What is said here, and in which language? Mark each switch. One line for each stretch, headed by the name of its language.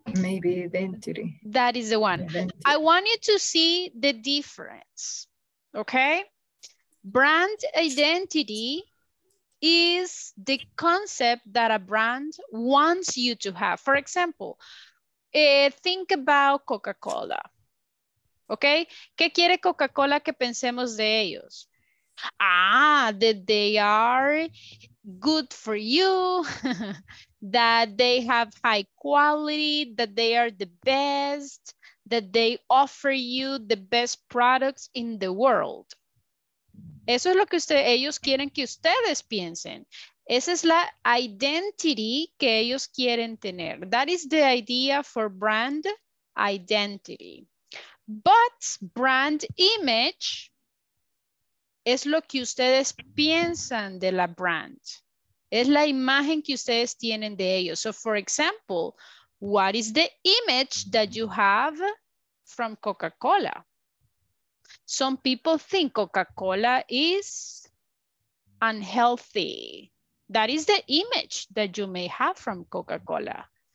English: Maybe identity. That is the one. Identity. I want you to see the difference, okay? Brand identity is the concept that a brand wants you to have. For example, think about Coca-Cola.
Spanish: Okay, ¿qué quiere Coca-Cola que pensemos de ellos?
English: Ah, that they are good for you, that they have high quality, that they are the best, that they offer you the best products in the world.
Spanish: Eso es lo que usted, ellos quieren que ustedes piensen. Esa es la identity que ellos quieren tener.
English: That is the idea for brand identity. But brand image
Spanish: es lo que ustedes piensan de la brand. Es la imagen que ustedes tienen de ellos.
English: So for example, what is the image that you have from Coca-Cola? Some people think Coca-Cola is unhealthy. That is the image that you may have from Coca-Cola.